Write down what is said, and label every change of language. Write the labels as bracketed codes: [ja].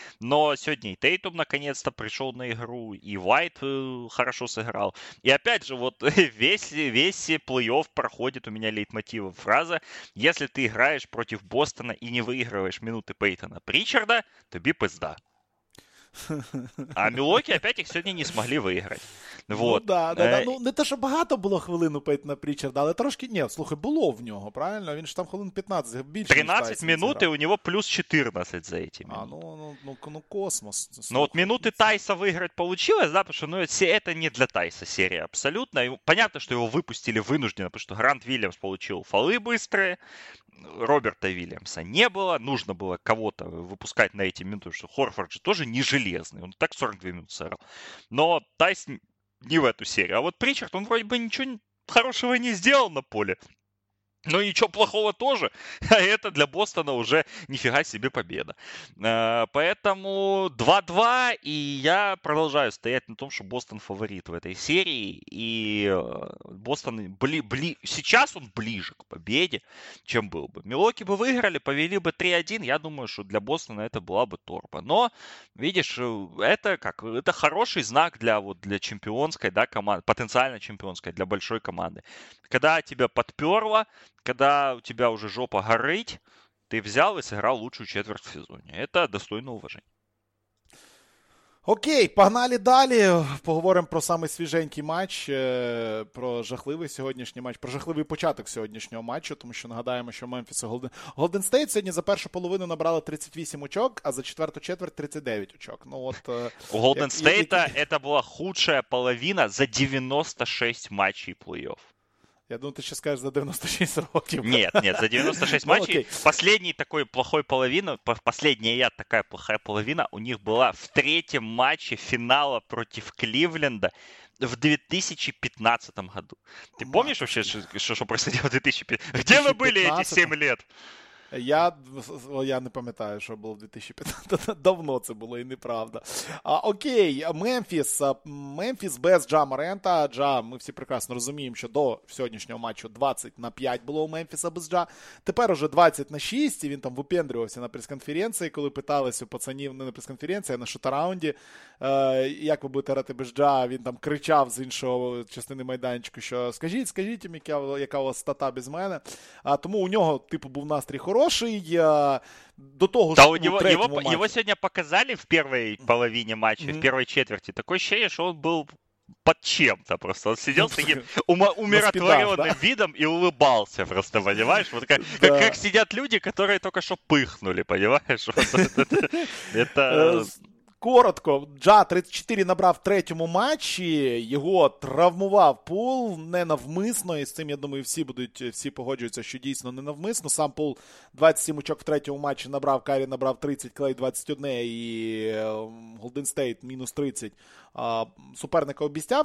[ru] Но сегодня и Тейтум наконец-то пришел на игру, и Уайт хорошо сыграл. И опять же, вот весь плей-офф проходит у меня лейтмотивом фраза. Если ты играешь против Бостона и не выигрываешь минуты Пейтона Причарда, [uk] тобі пизда. А Мілуокі опять їх сьогодні не змогли виграти. [ru] Вот. Ну, да. [uk] Ну, не те, що багато було хвилин у Пейтона Прічарда, але трошки, ні, слухай, було в нього, правильно? Він ж там хвилин 15, більше 13 минут, і у нього плюс 14 за ці минути. А, ну космос. Слухай. Ну, от минути Тайса виграти получилось, да, що, ну, це не для Тайса серія абсолютно. Понятно, що його випустили вынужденно, тому що Грант Вільямс отримав фоли швидкі. [ru] Роберта Вильямса не было, нужно было кого-то выпускать на эти минуты, потому что Хорфорд же тоже не железный, он так 42 минуты сыграл. Но Тайс не в эту серию, а вот Причард, он вроде бы ничего хорошего не сделал на поле, но ничего плохого тоже, а это для Бостона уже нифига себе победа. Поэтому 2-2, и я продолжаю стоять на том, что Бостон фаворит в этой серии, и Бостон сейчас он ближе к победе, чем был бы. Милуоки бы выиграли, повели бы 3-1, я думаю, что для Бостона это была бы торба. Но, видишь, это хороший знак для чемпионской, да, команды, потенциально чемпионской, для большой команды. Когда тебя подперло, когда у тебя уже жопа горит, ты взял и сыграл лучшую четверть в сезоне. Это достойно уважения. [uk] Окей, погнали далі. Поговоримо про самий свіженький матч, про жахливий сьогоднішній матч, про жахливий початок сьогоднішнього матчу, тому що нагадаємо, що Мемфіс і Голден Стейт сьогодні за першу половину набрали 38 очок, а за четверту четверть 39 очок. Ну, от, у Голден Стейта це була худша половина за 96 матчів плей-офф. Я думаю, ти ще скажеш за 96 років. [ru] Нет, за 96 матчей. Последний такой плохой половина, последняя такая плохая половина у них была в третьем матче финала против Кливленда в 2015 году. Ты помнишь вообще, что происходило в 2015? Где вы были эти 7 лет? [uk] Я не пам'ятаю, що було в 2015. Давно це було і неправда. А, окей, Мемфіс. Мемфіс без Джа Морента. Джа, ми всі прекрасно розуміємо, що до сьогоднішнього матчу 20 на 5 було у Мемфіса без Джа. Тепер уже 20 на 6, і він там випендрювався на прес-конференції, коли питалися у пацанів, не на прес-конференції, а на шутараунді, як ви будете грати без Джа. Він там кричав з іншого частини майданчику, що скажіть їм, яка у вас стата без мене. А, тому у нього, типу, був настрій хороший, до того, [ru] да, что его сегодня показали в первой половине матча, в первой четверти. Такое ощущение, что он был под чем-то просто. Он сидел с таким умиротворенным видом и улыбался просто, понимаешь? Вот как сидят люди, которые только что пыхнули, понимаешь? Это... [uk] Коротко, Джа 34 набрав в третьому матчі, його травмував Пул ненавмисно, і з цим, я думаю, всі погоджуються, що дійсно ненавмисно. Сам Пул 27 очок в третьому матчі набрав, Карі набрав 30, Клей 21, і Голден Стейт мінус 30. Суперника обістяв.